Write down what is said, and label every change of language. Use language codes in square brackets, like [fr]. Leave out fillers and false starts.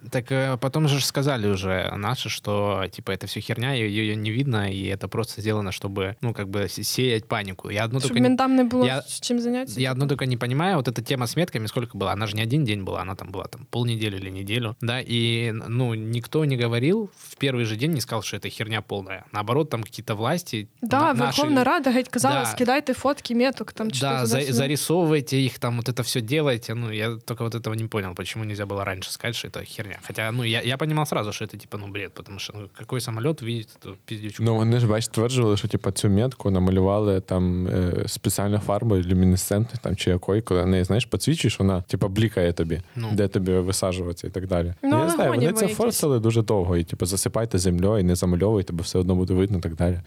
[uk] Так, потім же ж сказали вже наші, що, типу, це все херня, її не видно, і це просто зроблено, щоб, ну, як би, сіяти паніку. Я одну щоб ментам не було чим зайнятися. Я одну тільки не розумію, от ця тема з метками, скільки була? Вона ж не один день була, вона там була там полнеділі чи неділю, да? І, ну, ніхто не говорив, в перший же день не сказав, що це херня повна. Наоборот, там якісь власті... [ru] Да. [uk] А, Верховна Рада геть казала, да, скидайте фотки меток, там [ru] что-то. Да, зарисовывайте их, там вот это все делайте. Ну, я только вот этого не понял, почему нельзя было раньше сказать, что это херня. Хотя, ну, я понимал сразу, что это типа, ну, бред, потому что, ну, какой самолет видит эту пиздючку. [uk] Ну, [ru] они же, [uk] бачите, стверджували, что типа цю метку намалювали там [ru] специальной [uk] фарбой, люминесцентной, там, чи якой, коли не, знаешь, подсвічуєш, вона типа блікає тобі, ну, де тобі висаджуватися і так далі. Ну, я не знаю, вони це форсили дуже довго, і типа засипайте землею, не замальовуйте, бо все одно буде видно і так далі.